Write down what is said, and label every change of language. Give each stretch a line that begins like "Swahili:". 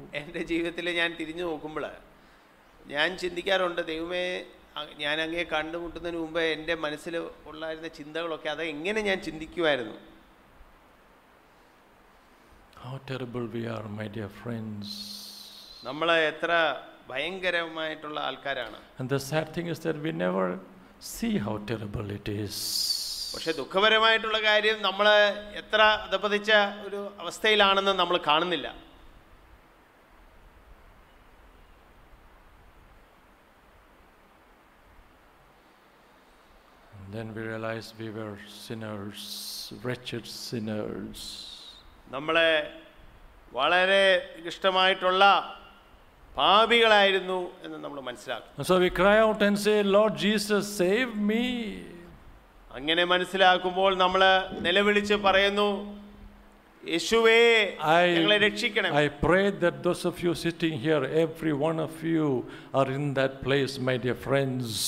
Malayalam: എൻ്റെ ജീവിതത്തിൽ ഞാൻ തിരിഞ്ഞു നോക്കുമ്പോൾ ഞാൻ ചിന്തിക്കാറുണ്ട്, ദൈവമേ ഞാൻ അങ്ങേ കണ്ടുമുട്ടുന്നതിന് മുമ്പേ എൻ്റെ മനസ്സിൽ ഉള്ളായിരുന്ന ചിന്തകളൊക്കെ അത് എങ്ങനെ ഞാൻ ചിന്തിക്കുമായിരുന്നു.
English: How terrible we are, my dear friends.
Malayalam: നമ്മൾ എത്ര ഭയങ്കരമായിട്ടുള്ള ആൾക്കാരാണ്.
English: And the sad thing is that we never see how terrible it is.
Malayalam: പക്ഷേ ദുഃഖപരമായിട്ടുള്ള കാര്യം നമ്മൾ എത്ര അധപതിച്ച ഒരു അവസ്ഥയിലാണെന്ന് നമ്മൾ കാണുന്നില്ല.
English: Then we realized we were sinners, wretched sinners.
Malayalam: നമ്മളെ വളരെ ഇഷ്ടമായിട്ടുള്ള പാപികളായിരുന്നു എന്ന് നമ്മൾ മനസ്സിലാക്കി.
English: So we cry out and say, Lord Jesus, save me.
Malayalam: അങ്ങനെ മനസ്സിലാക്കുമ്പോൾ നമ്മൾ നിലവിളിച്ച് പറയുന്നു, യേശുവേ ഞങ്ങളെ രക്ഷിക്കണമേ.
English: I pray that those of you sitting here, every one of you are in that place, my dear friends.